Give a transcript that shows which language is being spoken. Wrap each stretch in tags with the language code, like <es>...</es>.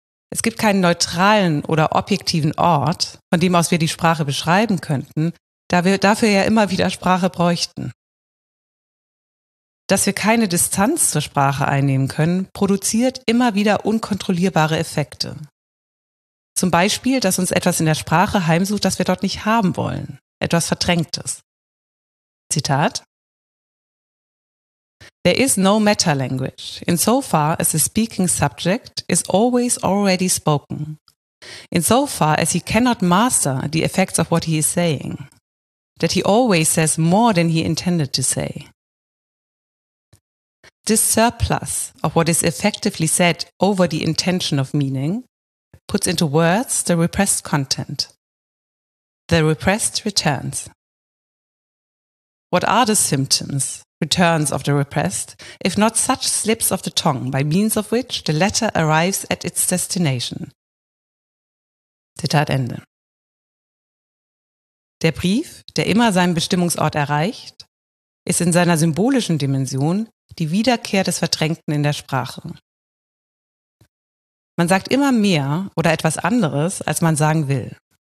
<de>Es gibt keinen neutralen oder objektiven Ort, von dem aus wir die Sprache beschreiben könnten, da wir dafür ja immer wieder Sprache bräuchten. Dass wir keine Distanz zur Sprache einnehmen können, produziert immer wieder unkontrollierbare Effekte. Zum Beispiel, dass uns etwas in der Sprache heimsucht, das wir dort nicht haben wollen, etwas Verdrängtes.</de> <en>Zitat: There is no meta language, insofar as the speaking subject is always already spoken, insofar as he cannot master the effects of what he is saying, that he always says more than he intended to say. This surplus of what is effectively said over the intention of meaning puts into words the repressed content. The repressed returns. What are the symptoms? Returns of the repressed, if not such slips of the tongue, by means of which the letter arrives at its destination.</en> <de>Zitat Ende. Der Brief, der immer seinen Bestimmungsort erreicht, ist in seiner symbolischen Dimension die Wiederkehr des Verdrängten in der Sprache. Man sagt immer mehr oder etwas anderes, als man sagen will.</de>